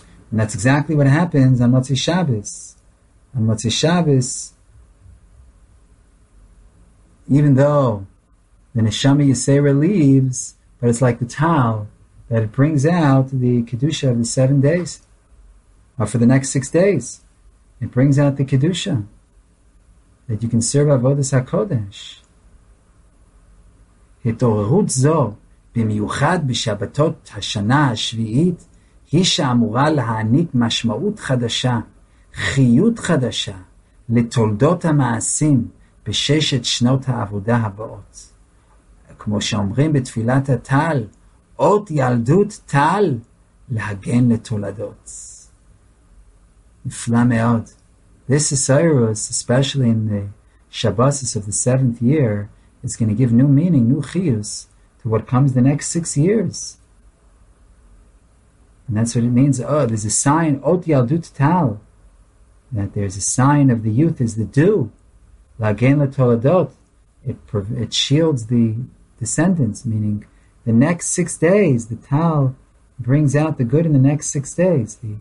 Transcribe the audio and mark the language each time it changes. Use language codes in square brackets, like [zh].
[en] And that's exactly what happens on Motzei Shabbos. On Motzei Shabbos, even though the Neshama Yisera leaves, but it's like the Tal, that it brings out the Kedusha of the 7 days, or for the next 6 days. It brings out the Kedusha that you can serve Avodas HaKodesh. [he] התעוררות זו, במיוחד בשבתות השנה השביעית, היא שאמורה להעניק משמעות חדשה, חיות חדשה, לתולדות המעשים בששת שנות העבודה הבאות. כמו שאומרים בתפילת הטל, אות ילדות טל להגן לתולדות. נפלא מאוד. [en] This is Cyrus, especially in the Shabbos of the seventh year, is going to give new meaning, new chiyus, to what comes the next 6 years. And that's what it means. Oh, there's a sign, [he] ot yaldut tal, [en] that there's a sign of the youth is the dew, [he] lagen letoladot, [en] it shields the descendants, meaning the next 6 days, the tal brings out the good in the next 6 days.